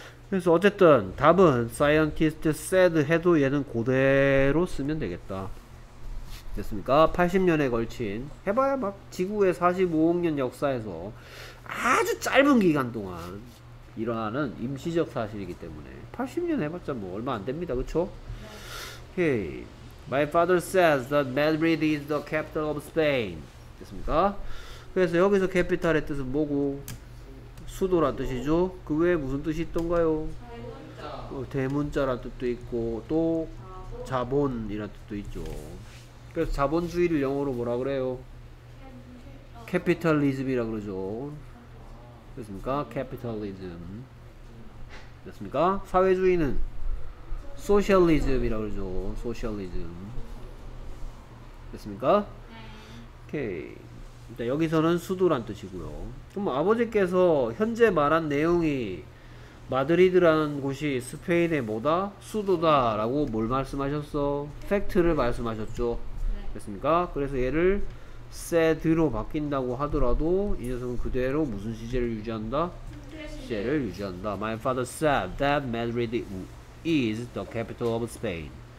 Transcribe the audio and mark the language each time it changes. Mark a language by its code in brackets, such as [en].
[ko] 그래서 어쨌든 답은 [en] scientist said [ko] 해도 얘는 그대로 쓰면 되겠다. 됐습니까? 80년에 걸친 해봐야 막 지구의 45억 년 역사에서 아주 짧은 기간 동안 일어나는 임시적 사실이기 때문에 80년 해봤자 뭐 얼마 안 됩니다. 그쵸? [en] Hey, my father says that Madrid is the capital of Spain. [ko] 됐습니까? 그래서 여기서 캐피탈의 뜻은 뭐고? 수도란 뜻이죠? 그 외에 무슨 뜻이 있던가요? 대문자란 뜻도 있고 또 자본이란 뜻도 있죠. 그래서 자본주의를 영어로 뭐라 그래요? 캐피탈리즘이라 그러죠. 됐습니까? 캐피탈리즘. 됐습니까? 사회주의는 소셜리즘이라 그러죠. 소셜리즘. 됐습니까? 오케이. 일단 여기서는 수도란 뜻이고요. 그럼 아버지께서 현재 말한 내용이 마드리드라는 곳이 스페인의 뭐다? 수도다라고 뭘 말씀하셨어? 팩트를 말씀하셨죠. 됐습니까? 그래서 얘를 said로 바뀐다고 하더라도 이 녀석은 그대로 무슨 시제를 유지한다? 시제를 유지한다. [en] My father said that Madrid is the capital of Spain.